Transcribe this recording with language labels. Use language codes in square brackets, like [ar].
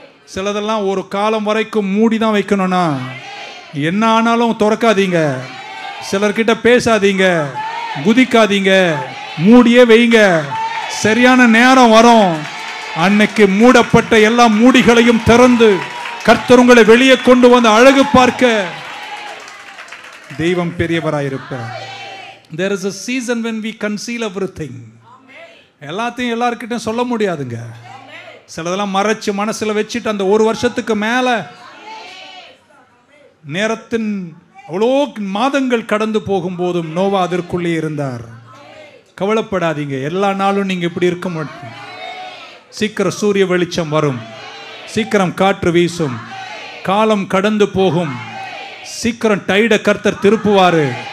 [ta] சிலதெல்லாம் ஒரு காலம் வரைக்கும் மூடிதான் வைக்கணும்னா என்ன ஆனாலும் திறக்காதீங்க, சிலர்கிட்ட பேசாதீங்க, குதிக்காதீங்க, மூடியே வைங்க. சரியான நேரம் வரும், அன்னைக்கு மூடப்பட்ட எல்லா மூடிகளையும் திறந்து கர்த்தர் உங்களை வெளியே கொண்டு வந்து அழகு பார்க்க தெய்வம் பெரியவராயிருப்பார். [en] There is a season when we conceal everything. [ta] எல்லாத்தையும் எல்லார்கிட்டையும் சொல்ல முடியாதுங்க. சிலதெல்லாம் மறைச்சு மனசுல வச்சுட்டு அந்த 1 வருஷத்துக்கு மேல நேரத்தின் அவ்வளோ மாதங்கள் கடந்து போகும் போதும் நோவா அதற்குள்ளே இருந்தார். கவலைப்படாதீங்க, எல்லா நாளும் நீங்க இப்படி இருக்க மாட்டீங்க. சீக்கிரம் சூரிய வெளிச்சம் வரும், சீக்கிரம் காற்று வீசும், காலம் கடந்து போகும், சீக்கிரம் டைட கர்த்தர் திருப்புவாரு.